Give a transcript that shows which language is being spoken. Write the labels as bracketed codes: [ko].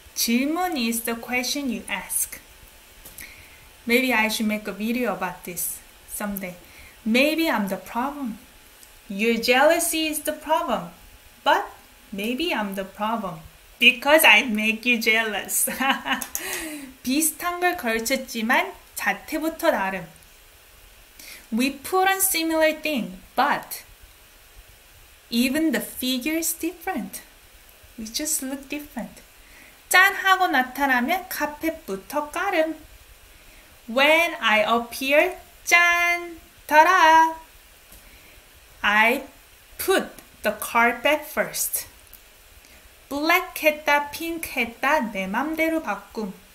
[en] 질문 is the question you ask. Maybe I should make a video about this someday. Maybe I'm the problem. Your jealousy is the problem, but maybe I'm the problem because I make you jealous. [ko] 비슷한 걸 걸쳤지만 자태부터 나름. [en] We put on similar thing, but even the figure is different. We just look different. [ko] 짠 하고 나타나면 카펫부터 까름. [en] When I appear, 짠, 따라. I put the carpet first. [ko] Black 했다, pink 했다, 내 맘대로 바꿈.